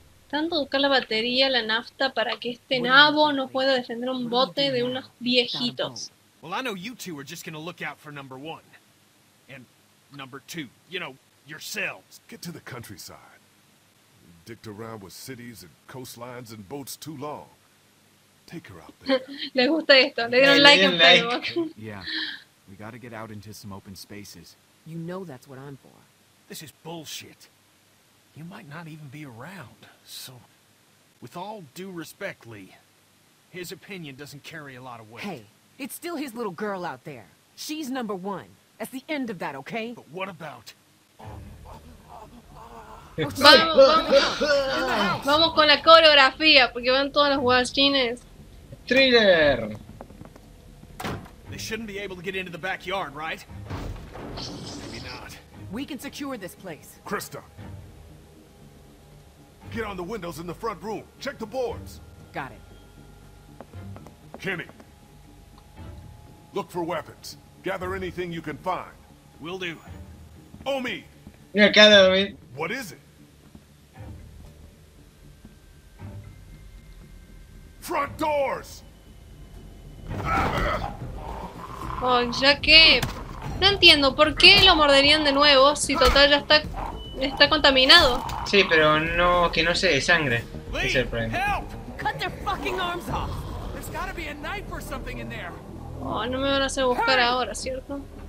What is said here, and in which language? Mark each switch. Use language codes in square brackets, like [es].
[es] Tanto buscar la batería, la nafta, para que este nabo no pueda defender un bote de unos viejitos. [en] Well, I know you two are just gonna look out for number one. And number two, you know, yourselves. Get to the countryside. Dicked around with cities and coastlines and boats too long. Take her out there. [es] Le gusta esto, le dieron like en Facebook. [en] Yeah, we gotta get out into some open spaces. You know that's what I'm for. This is bullshit. You might not even be around, so, with all due respect, Lee, his opinion doesn't carry a lot of weight. Hey, it's still his little girl out there. She's number one. That's the end of that, okay? But what about... [es] Vamos con la coreografía, porque van todos los guachines. [en] Thriller. They shouldn't be able to get into the backyard, right? Maybe not. We can secure this place. Krista. Get on the windows in the front room. Check the boards. Got it. Kenny. Look for weapons. Gather anything you can find. Will do. Omi. Yeah, gather it. What is it? Front doors! [es] Oh, ya que... No entiendo por qué lo morderían de nuevo si total ya está... Está contaminado. Sí, pero no, que no sea de sangre. Es el problema. [en] Help! Cut their fucking arms off. There's gotta be a knife or something in there. [es] Oh, no me van a hacer buscar ahora, ¿cierto?